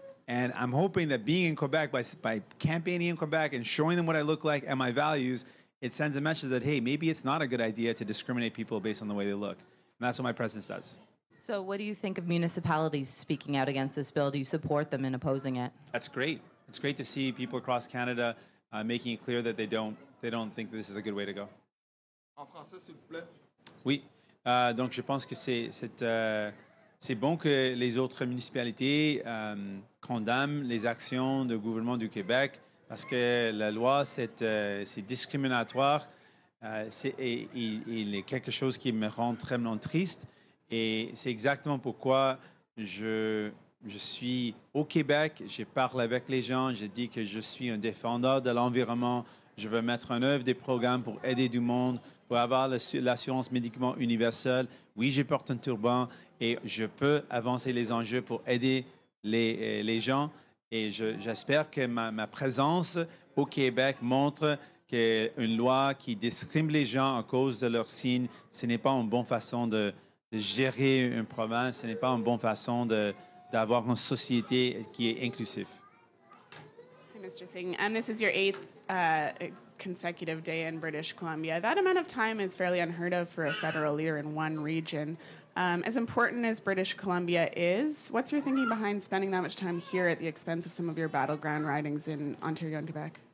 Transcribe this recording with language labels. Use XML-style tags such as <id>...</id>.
<en>And I'm hoping that being in Quebec, by campaigning in Quebec and showing them what I look like and my values, it sends a message that, hey, maybe it's not a good idea to discriminate people based on the way they look. And that's what my presence does. So what do you think of municipalities speaking out against this bill? Do you support them in opposing it? That's great. It's great to see people across Canada making it clear that they don't think this is a good way to go.</en> <fr>En français, s'il vous plaît. Oui. Donc, je pense que c'est bon que les autres municipalités condamne les actions du gouvernement du Québec parce que la loi, c'est discriminatoire. C'est quelque chose qui me rend très triste. Et c'est exactement pourquoi je suis au Québec. Je parle avec les gens. Je dis que je suis un défenseur de l'environnement. Je veux mettre en œuvre des programmes pour aider du monde, pour avoir l'assurance médicaments universelle. Oui, je porte un turban et je peux avancer les enjeux pour aider les gens, et j'espère que ma présence au Québec montre qu'une loi qui discrimine les gens à cause de leur signe, ce n'est pas une bonne façon de gérer une province, ce n'est pas une bonne façon d'avoir une société qui est inclusive.</fr> <en>Hey, Mr. Singh, this is your eighth consecutive day in British Columbia. That amount of time is fairly unheard of for a federal leader in one region. As important as British Columbia is, what's your thinking behind spending that much time here at the expense of some of your battleground ridings in Ontario and Quebec?</en>